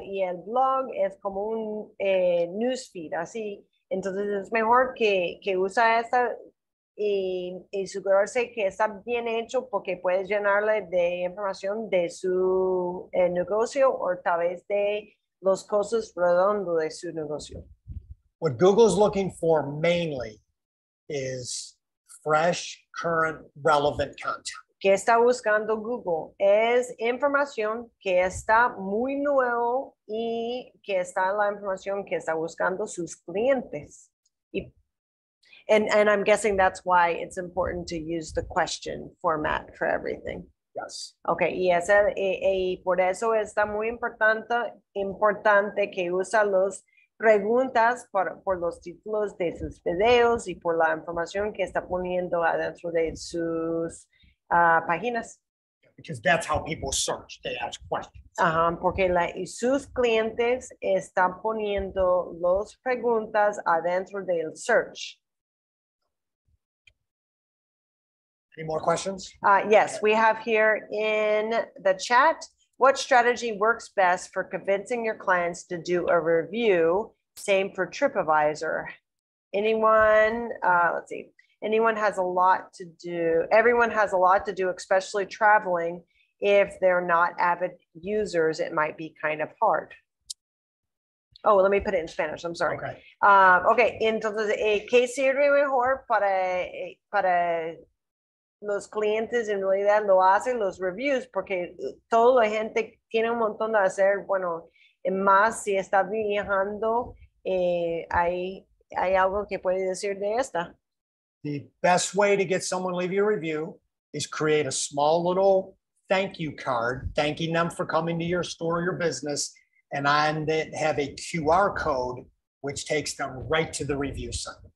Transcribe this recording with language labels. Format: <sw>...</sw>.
<es>Y el blog es como un newsfeed, así. Entonces es mejor que usa esta y asegurarse que está bien hecho porque puedes llenarle de información de su negocio o tal vez de los costos redondos de su negocio.</es> <en>What Google's looking for mainly is fresh, current, relevant content.</en> <es>¿Qué está buscando Google? Es información que está muy nuevo y que está la información que está buscando sus clientes.</es> <en>And I'm guessing that's why it's important to use the question format for everything. Yes.</en> <es>Okay, y por eso está muy importante que usa las preguntas por los títulos de sus videos y por la información que está poniendo adentro de sus páginas.</es> <en>Because that's how people search. They ask questions.</en> <es>Porque sus clientes están poniendo las preguntas adentro del search.</es> <en>Any more questions? Yes, we have here in the chat, what strategy works best for convincing your clients to do a review? Same for TripAdvisor. Everyone has a lot to do, especially traveling. If they're not avid users, it might be kind of hard. Oh, let me put it in Spanish. I'm sorry. Okay.</en> <es>Entonces, ¿qué sirve mejor para los clientes en realidad lo hacen los reviews porque toda la gente tiene un montón de hacer, bueno, más si está viajando, hay algo que puede decir de esta.</es> <en>The best way to get someone to leave your review is create a small little thank you card thanking them for coming to your store or your business, and on that have a QR code which takes them right to the review site.</en>